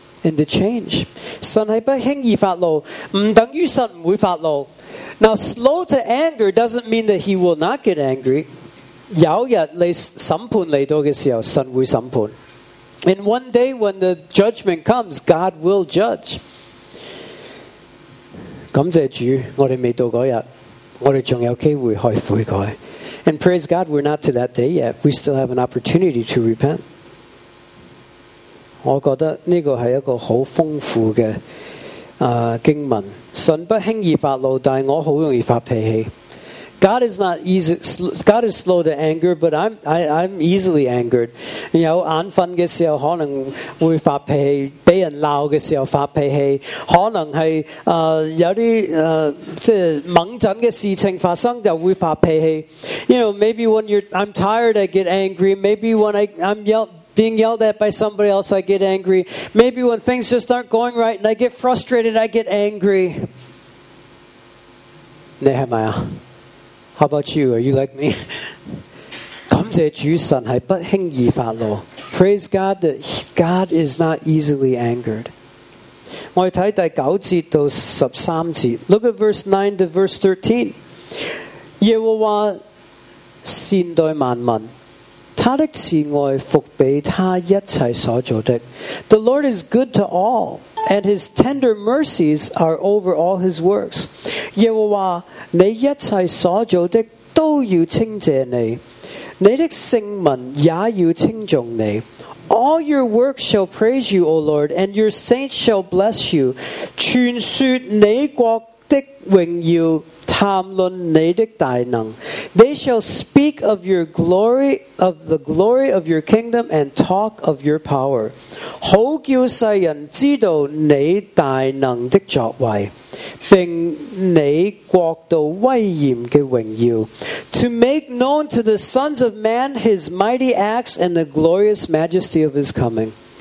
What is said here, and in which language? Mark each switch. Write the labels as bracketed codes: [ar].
[en] And to change. [zh] 神是不轻易发怒，不等于神不会发怒。 [en] Now, slow to anger doesn't mean that he will not get angry. [zh] 有一天你审判来到的时候，神会审判。 [en] And one day when the judgment comes, God will judge. [zh] 感谢主，我们未到那一天，我们还有机会可以悔改。 [en] And praise God, we're not to that day yet. We still have an opportunity to repent. [zh] 我觉得这个是一个很丰富的经文。神不轻易发怒，但是我很容易发脾气。 [en] God is not easy, God is slow to anger, but I'm easily angered. [zh] 有眼瞓的时候可能会发脾气，被人闹的时候发脾气，可能是有些即是猛疹的事情发生就会发脾气。 [en] You know, maybe when I'm tired, I get angry. Maybe when I'm being yelled at by somebody else, I get angry. Maybe when things just aren't going right and I get frustrated, I get angry. Nehemiah, how about you? Are you like me? 感谢主神是不轻易发怒。 Praise God that God is not easily angered. [zh] 我们看第九节到十三节。 [en] Look at verse 9 to verse 13. [zh] 耶和华善待万民。他的慈爱伏庇他一切所做的。 [en] The Lord is good to all, and his tender mercies are over all his works. [zh] 耶和华，你一切所做的都要称谢你，你的圣民也要称颂你。 [en] All your works shall praise you, O Lord, and your saints shall bless you. [zh] 传说你国的荣耀，谈论你的大能。 [en] They shall speak of your glory, of the glory of your kingdom, and talk of your power. [zh] 好叫世人知道你大能的作为，并你国度威严的荣耀。 [en] To make known to the sons of man his mighty acts and the glorious majesty of his coming.